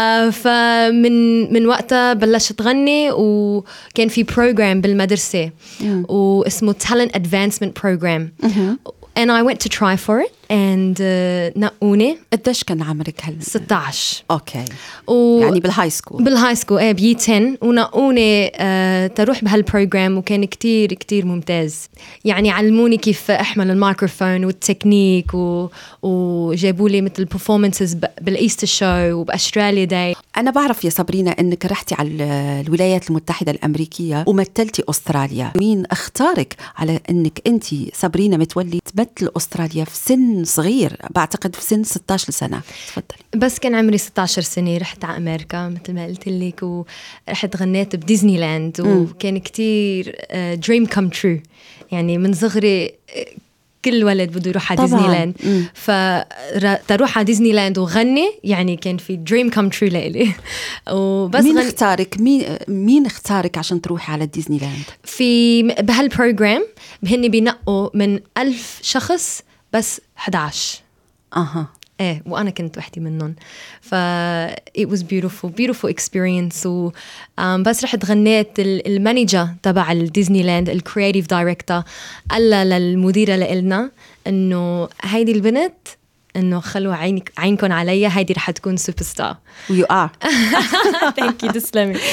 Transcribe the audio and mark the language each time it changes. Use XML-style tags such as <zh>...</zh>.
<ar>فمن وقتها بلشت غني وكان في بروغرام بالمدرسة واسمه Talent Advancement Program.</ar> <en>And I went to try for it and</en> <ar>نقوني. قديش كان عمرك هلا؟ 16. اوكي. يعني بالهاي سكول. بالهاي سكول اي بي 10 ونقوني تروح بهالبروجرام وكان كتير كتير ممتاز. يعني علموني كيف احمل الميكروفون والتكنيك وجابوا لي مثل performances بالايستر شو وباستراليا داي. انا بعرف يا سابرينا انك رحتي على الولايات المتحدة الامريكية ومثلتي استراليا. مين اختارك على انك انت سابرينا متولي تمثل استراليا في سن صغير؟ بعتقد في سن 16 سنة. تفضلي. بس كان عمري 16 سنة رحت على أمريكا مثل ما قلت لك ورحت غنيت بديزني لاند وكان كتير</ar> <en>dream come true.</en> <ar>يعني من صغري كل ولد بده يروح على طبعاً. ديزني لاند فتروح على ديزني لاند وغني يعني كان في</ar> <en>dream come true</en> <ar>لإلي. وبس مين اختارك؟ مين اختارك عشان تروح على ديزني لاند؟ في بهالبروغرام بهني بينقوا من 1000 شخص بس 11. اها. ايه وانا كنت وحدي منهم. ف</ar> <en>it was beautiful experience.</en> <ar>بس رحت غنيت المانجر تبع الديزني لاند الكرياتيف دايركتور قال للمديره لإلنا انه هيدي البنت انه خلوا عينكم عليا هيدي رح تكون سوبر ستار.</ar> <en>You are. Thank you</en> <ar>تسلمي.</ar>